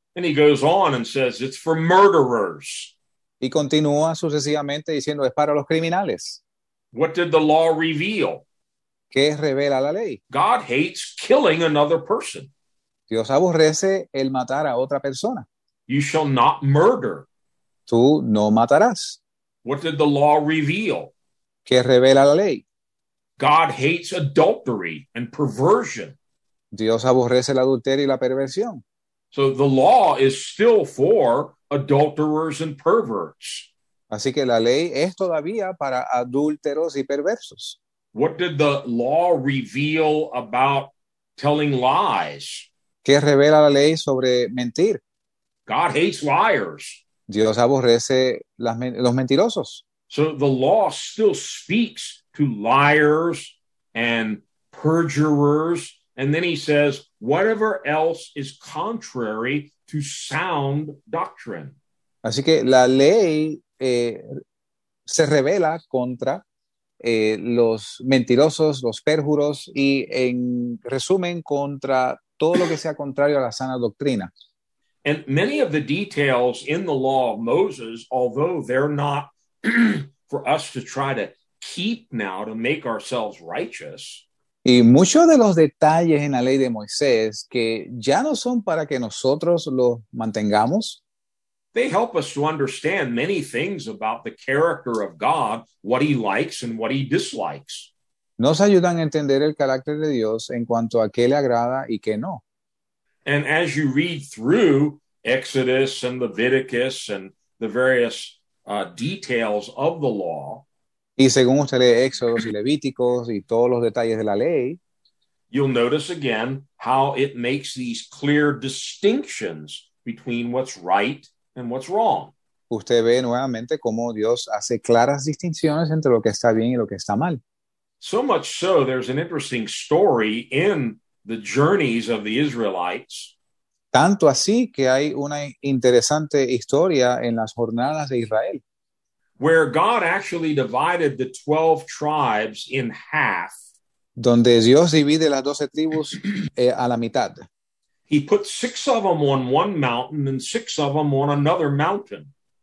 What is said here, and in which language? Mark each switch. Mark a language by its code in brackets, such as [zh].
[en] And he goes on and says, it's for murderers. [es] Y continúa sucesivamente diciendo, es para los criminales. [en] What did the law reveal? [es] ¿Qué revela la ley? [en] God hates killing another person. [es] Dios aborrece el matar a otra persona. [en] You shall not murder. [es] Tú no matarás. [en] What did the law reveal? [es] ¿Qué revela la ley? [en] God hates adultery and perversion. [es] Dios aborrece el adulterio y la perversión. [en] So the law is still for adulterers and perverts. [es] Así que la ley es todavía para adúlteros y perversos. [en] What did the law reveal about telling lies? [es] ¿Qué revela la ley sobre mentir? [en] God hates liars. [es] Dios aborrece los mentirosos. [en] So the law still speaks to liars and perjurers. And then he says, whatever else is contrary to sound doctrine. [es] Así que la ley se revela contra los mentirosos, los perjuros, y en resumen, contra todo lo que sea contrario a la sana doctrina. [en] And many of the details in the law of Moses, although they're not for us to try to keep now to make ourselves righteous. [es] Y muchos de los detalles en la ley de Moisés que ya no son para que nosotros los mantengamos. [en] They help us to understand many things about the character of God, what he likes and what he dislikes. [es] Nos ayudan a entender el carácter de Dios en cuanto a qué le agrada y qué no. [en] And as you read through Exodus and Leviticus and the various details of the law, [es] y según usted lee Éxodos y Levíticos y todos los detalles de la ley, [en] you'll notice again how it makes these clear distinctions between what's right and what's wrong. [es] Usted ve nuevamente cómo Dios hace claras distinciones entre lo que está bien y lo que está mal. [en] So much so, there's an interesting story in the journeys of the Israelites. [es] Tanto así que hay una interesante historia en las jornadas de Israel. [en] Where God actually divided the 12 tribes in half. [es] Donde Dios divide las 12 tribus a la mitad. [en] He put 6 of them on one mountain and 6 of them on another mountain.